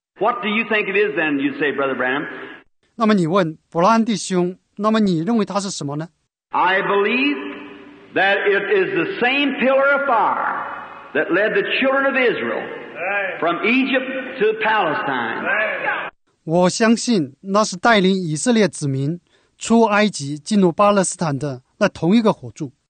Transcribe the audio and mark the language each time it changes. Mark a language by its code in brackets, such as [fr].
[en] What do you think it is then, you say, Brother Branham? [zh] 那么你问伯拉罕弟兄，那么你认为它是什么呢？ [en] I believe that it is the same pillar of fire. That led the children of Israel from Egypt to Palestine. [zh] 我相信那是带领以色列子民出埃及进入巴勒斯坦的那同一个火柱。